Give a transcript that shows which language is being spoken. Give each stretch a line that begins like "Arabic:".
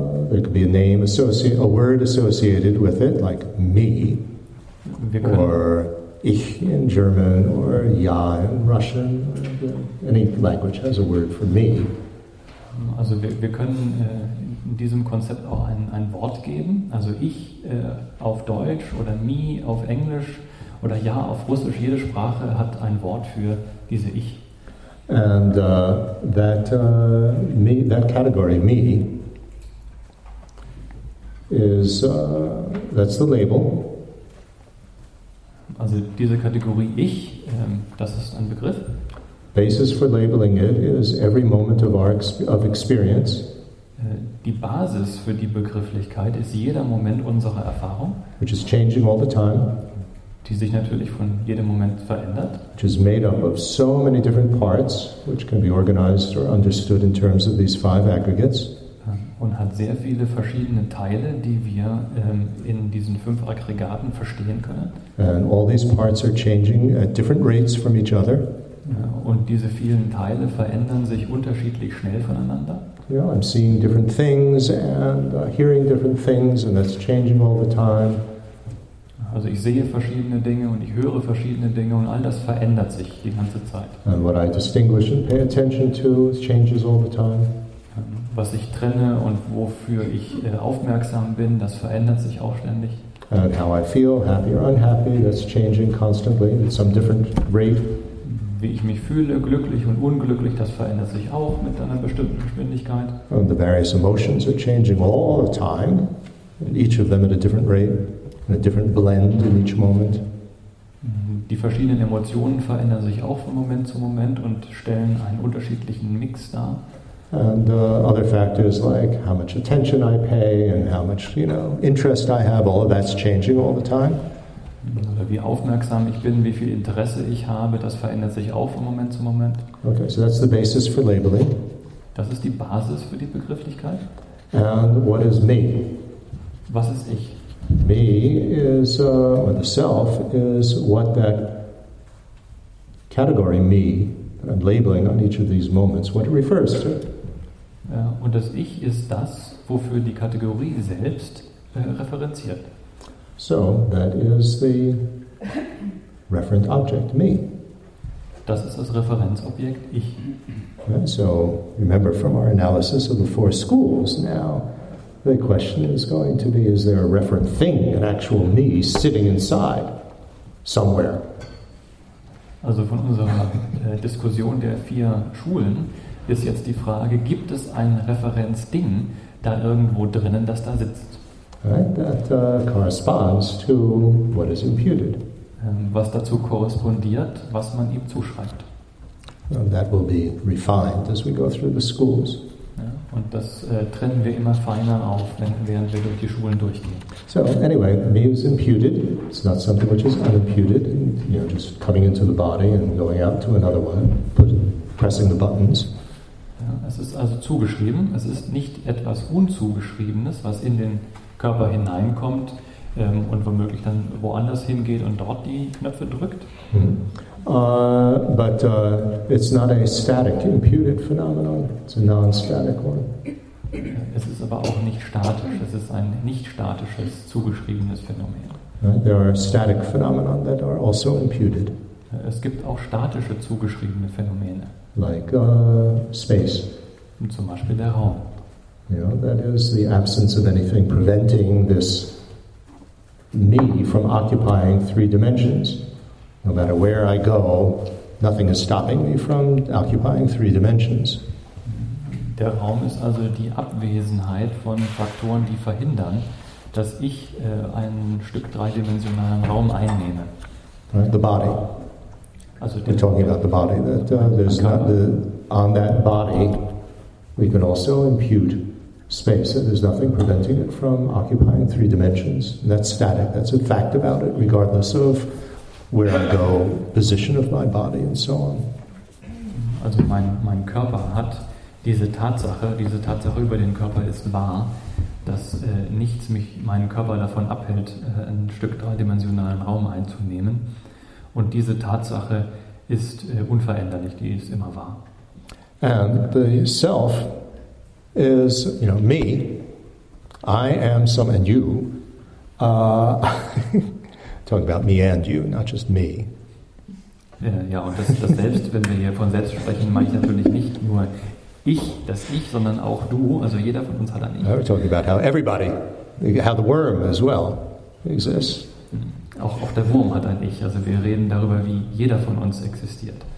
English: There could be a name associated, a word associated with it, like me, or ich in German, or ja in Russian. Any language has a word for me.
German: Also wir können in diesem Konzept auch ein Wort geben, also ich auf Deutsch oder me auf Englisch oder ja auf Russisch, jede Sprache hat ein Wort für diese Ich.
English: And that me, that category me is that's the label.
German: Also diese Kategorie Ich, das ist ein Begriff.
English: Basis for labeling it is every moment of our of experience.
German: Die Basis für die Begrifflichkeit ist jeder Moment unserer Erfahrung.
English: Which is changing all the time.
German: Die sich natürlich von jedem Moment verändert.
English: Which is made up of so many different parts, which can be organized or understood in terms of these five aggregates.
German: Und hat sehr viele verschiedene Teile, die wir in diesen fünf Aggregaten verstehen können.
English: And all these parts are changing at different rates from each other.
German: Ja, und diese vielen Teile verändern sich unterschiedlich schnell voneinander.
English: Yeah, I'm seeing different things and hearing different things, and that's changing all the time.
German: Also ich sehe verschiedene Dinge und ich höre verschiedene Dinge, und all das verändert sich die ganze Zeit.
English: And what I distinguish and pay attention to changes all the time.
German: Was ich trenne und wofür ich aufmerksam bin, das verändert sich auch ständig.
English: And how I feel, happy or unhappy, that's changing constantly at some different rate.
German: Wie ich mich fühle, glücklich und unglücklich, das verändert sich auch mit einer bestimmten Geschwindigkeit.
English: And the various emotions are changing all the time, and each of them at a different rate, and a different blend in each moment.
German: Die verschiedenen Emotionen verändern sich auch von Moment zu Moment und stellen einen unterschiedlichen Mix dar.
English: And other factors like how much attention I pay and how much, you know, interest I have, all of that's changing all the time.
German: Oder wie aufmerksam ich bin, wie viel Interesse ich habe, das verändert sich auch von Moment zu Moment.
English: Okay, so that's the basis for labeling.
German: Das ist die Basis für die Begrifflichkeit.
English: And what is me?
German: Was ist ich?
English: Me is, or the self, is what that category me and labeling on each of these moments, what it refers to.
German: Und das Ich ist das, wofür die Kategorie selbst referenziert.
English: So, that is the referent object, me.
German: Das ist das Referenzobjekt, ich.
English: Okay, so, remember from our analysis of the four schools now, the question is going to be, is there a referent thing, an actual me, sitting inside, somewhere?
German: Also von unserer Diskussion der vier Schulen ist jetzt die Frage, gibt es ein Referenzding da irgendwo drinnen, das da sitzt?
English: Right, that corresponds to what is imputed.
German: Was dazu korrespondiert, was man ihm zuschreibt.
English: And that will be refined as we go through the schools.
German: Ja, und das trennen wir immer feiner auf, während wir durch die Schulen durchgehen.
English: So, anyway, me is imputed. It's not something which is unimputed. And, you know, just coming into the body and going out to another one, pressing the buttons.
German: Ja, es ist also zugeschrieben. Es ist nicht etwas Unzugeschriebenes, was in den Körper hineinkommt und womöglich dann woanders hingeht und dort die Knöpfe drückt.
English: But it's not a static imputed phenomenon. It's a non-static one.
German: Es ist aber auch nicht statisch. Es ist ein nicht statisches zugeschriebenes Phänomen.
English: There are static phenomena that are also imputed.
German: Es gibt auch statische zugeschriebene Phänomene.
English: Like space.
German: Und zum Beispiel der Raum.
English: You know, that is the absence of anything preventing this me from occupying three dimensions. No matter where I go, nothing is stopping me from occupying three dimensions.
German: Der Raum ist also die Abwesenheit von Faktoren, die verhindern, dass ich ein Stück dreidimensionalen Raum einnehme.
English: Right, the body.
German: Also
English: we're talking about the body. That there's not the, on that body, we can also impute space. There's nothing preventing it from occupying three dimensions. And that's static. That's a fact about it, regardless of where I go, position of my body, and so on.
German: Also mein Körper hat diese Tatsache über den Körper ist wahr, dass nichts mich, meinen Körper davon abhält, ein Stück dreidimensionalen Raum einzunehmen. Und diese Tatsache ist unveränderlich, die ist immer wahr.
English: And the self is, you know, me, I am some, and you, talking about me and you, not just me.
German: Ja, und das Selbst, wenn wir hier von Selbst sprechen, meine ich natürlich nicht nur ich, das Ich, sondern auch du, also jeder von uns hat ein Ich.
English: We're talking about how everybody, how the worm as well exists.
German: Auch der Wurm hat ein Ich, also wir reden darüber, wie jeder von uns existiert.